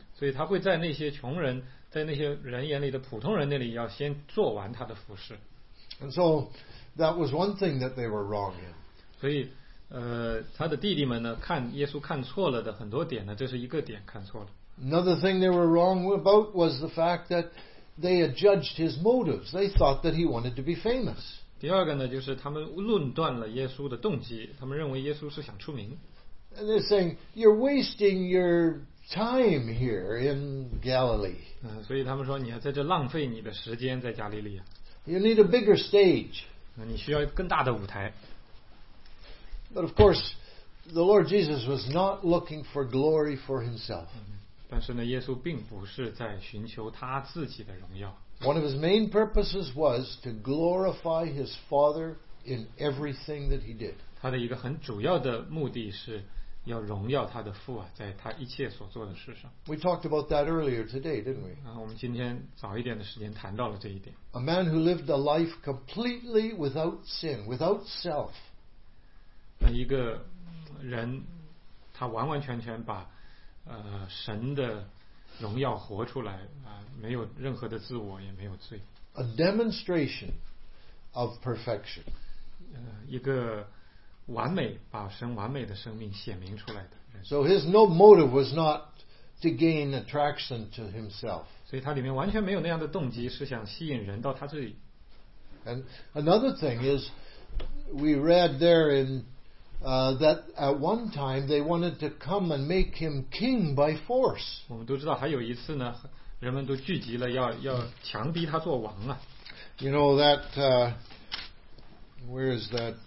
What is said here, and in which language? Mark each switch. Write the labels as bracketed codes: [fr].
[zh] 所以他会在那些穷人，在那些人眼里的普通人那里，要先做完他的服事。 [en] And so that was one thing that they were wrong in. [zh] 所以他的弟弟们呢，看耶稣看错了的很多点呢，这是一个点看错了。 [en] Another thing they were wrong about was the fact that they had judged his motives. They thought that he wanted to be famous. [zh] 第二个呢，就是他们论断了耶稣的动机，他们认为耶稣是想出名。 [en] And they're saying, "You're wasting your time here in Galilee." [zh] 所以他们说你在这浪费你的时间在加利利亚。 [en] You need a bigger stage. [zh] 你需要更大的舞台。 [en] But of course, the Lord Jesus was not looking for glory for himself. [zh] 但是呢，耶稣并不是在寻求他自己的荣耀。 [en] One of his main purposes was to glorify his Father in everything that he did. [zh] 他的一个很主要的目的是要荣耀他的父啊，在他一切所做的事上。 [en] We talked about that earlier today, didn't we? [zh] 我们今天早一点的时间谈到了这一点。 [en] A man who lived a life completely without sin, without self. [zh] 一个人他完完全全把神的荣耀活出来没有任何的自我也没有罪。 [en] A demonstration of perfection. [zh] 一个完美把神完美的生命显明出来的。 [en] So his no motive was not to gain attraction to himself. [zh] 所以他里面完全没有那样的动机是想吸引人到他这里。 [en] And another thing is, we read there inthat at one time they wanted to come and make him king by force. [zh] 我们都知道还有一次呢，人们都聚集了要强逼他做王啊。 [en] You know that, where is that?